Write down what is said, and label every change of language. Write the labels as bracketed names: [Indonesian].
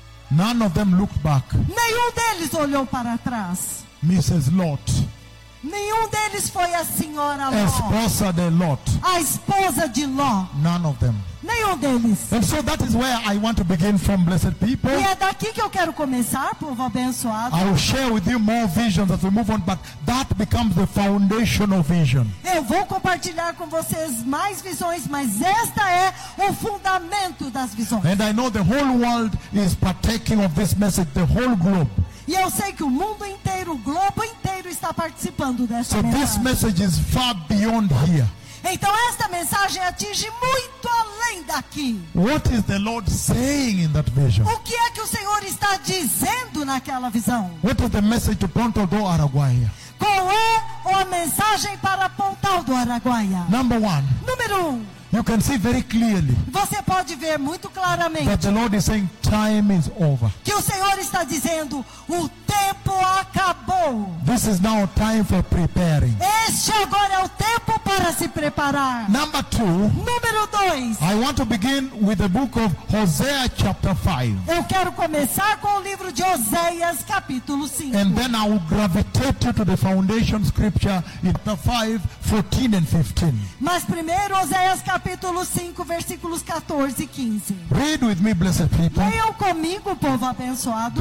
[English] None of them looked back. [Portuguese] Nenhum deles olhou para trás. [English] Mrs. Lot. [Portuguese] Nenhum deles foi a senhora Lot. Esposa de Lot. A esposa de Lot. [English] None of them. [Portuguese] Nenhum deles. [English] And so that is where I want to begin from, blessed people. [Portuguese] E é daqui que eu quero começar, povo abençoado. [English] I will share with you more visions as we move on, but that becomes the foundational vision. [Portuguese] Eu vou compartilhar com vocês mais visões, mas esta é o fundamento das visões. [English] And I know the whole world is partaking of this message, the whole globe. [Portuguese] E eu sei que o mundo inteiro, o globo inteiro está participando dessa mensagem. [English] So this message is far beyond here. [Portuguese] Então esta mensagem atinge muito além daqui. [English] What is the Lord saying in that vision? [Portuguese] O que é que o Senhor está dizendo naquela visão? [English] What is the message to Pontal-Do-Araguia? [Portuguese] Qual é a mensagem para Pontal-Do-Araguia? [English] Number one. [Portuguese] Número um. [English] You can see very clearly. [Portuguese] Você pode ver muito claramente. [English] That the Lord is saying time is over. [Portuguese] Que o Senhor está dizendo o tempo acabou. [English] This is now time for preparing. [Portuguese] Este agora é o tempo para se preparar. [English] Number two. [Portuguese] Número dois. [English] I want to begin with the book of Hosea chapter 5. [Portuguese] Eu quero começar com o livro de Oséias capítulo 5. [English] And then I will gravitate to the foundation scripture in chapter 5, 14 and 15. [Portuguese] Mas primeiro Oséias capítulo 5, versículos 14 e 15. [English] Read with me, blessed people. [Portuguese] Leiam comigo, povo abençoado.